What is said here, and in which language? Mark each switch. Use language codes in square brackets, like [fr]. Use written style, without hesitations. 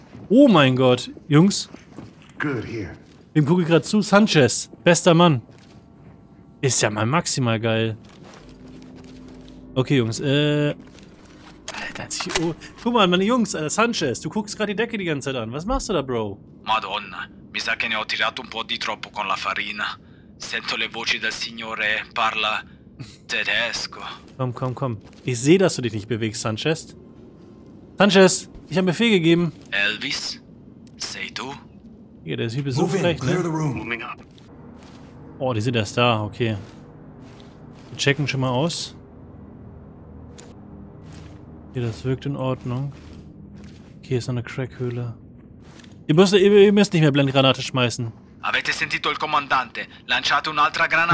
[de] Oh mein Gott, Jungs. Wem gucke ich gerade zu? Sanchez, bester Mann. Ist ja mal maximal geil. Okay, Jungs, Alter, hat sich. Oh. Guck mal, meine Jungs, Alter, Sanchez, du guckst gerade die Decke die ganze Zeit an. Was machst du da, Bro? [it] Madonna, mi sa che ne ho tirato un po' di troppo con la farina. Sento le voci del signore parla tedesco. [de] Komm. Ich sehe, dass du dich nicht bewegst, Sanchez. Sanchez, ich habe Befehl gegeben. [it] Elvis, sei du? [de] Ja, der ist übel so frech, ne? Oh, die sind erst da, okay. Wir checken schon mal aus. Hier, das wirkt in Ordnung. Okay, ist noch eine Crackhöhle. Ihr müsst nicht mehr Blendgranate schmeißen. [it] Avete sentito il comandante? Lanciate un'altra granata.